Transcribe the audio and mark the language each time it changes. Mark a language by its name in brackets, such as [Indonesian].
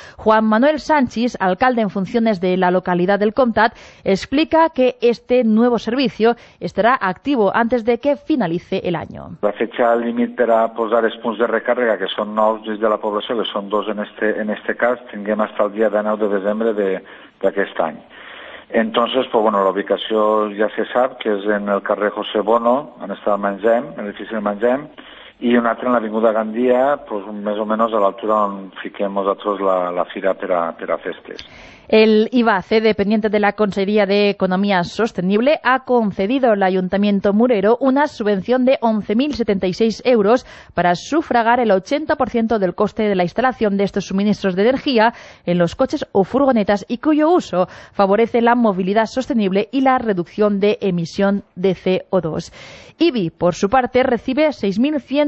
[Spanish] Juan Manuel Sánchez, alcalde en funciones de la localidad del Comtat, explica que este nuevo servicio estará activo antes de que finalice el año. La fecha límite para posar los puntos de recarga, que son nuevos desde la población, que son dos en este caso, tendrán hasta el día 9 de diciembre de este año. Entonces, pues bueno, [Catalan] la ubicació ja se sap, que és en el carrer José Bono, on està el Mengem, l'edifici del Mengem, i un altre en l'avinguda Gandia, pues més o menys a l'altura on fiquem nosaltres la fira per a festes. [Spanish] El IBAC, dependiente de la Consejería de Economía Sostenible, ha concedido al Ayuntamiento Murero una subvención de 11.076 euros para sufragar el 80% del coste de la instalación de estos suministros de energía en los coches o furgonetas y cuyo uso favorece la movilidad sostenible y la reducción de emisión de CO2. IBI, por su parte, recibe 6.100